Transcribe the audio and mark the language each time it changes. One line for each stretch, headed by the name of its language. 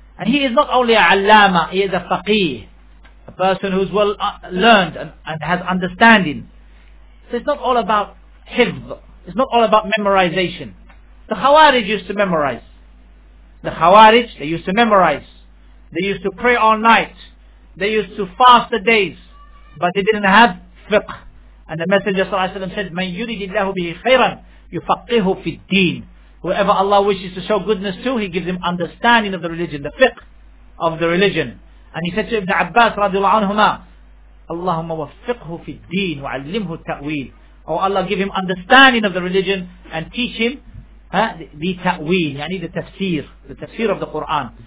English: And he is not only a Allama, he is a faqih. A person who's well learned and has understanding. So it's not all about hifz. It's not all about memorization. The Khawarij used to memorize. The Khawarij, they used to memorize. They used to pray all night. They used to fast the days. But they didn't have fiqh. And the Messenger ﷺ said,
Arabic: مَنْ يُرِدِ اللَّهُ بِهِ خَيْرًا يُفَقِّهُ فِي الدِّينِ.
English: Whoever Allah wishes to show goodness to, He gives him understanding of the religion, the fiqh of the religion. And he said to Ibn Abbas radiallahu anhuma,
Arabic: اللهم وفقه في الدين وعلمه التأويل.
English: Oh Allah, give him understanding of the religion and teach him the ta'wil, yani the tafsir of the Quran.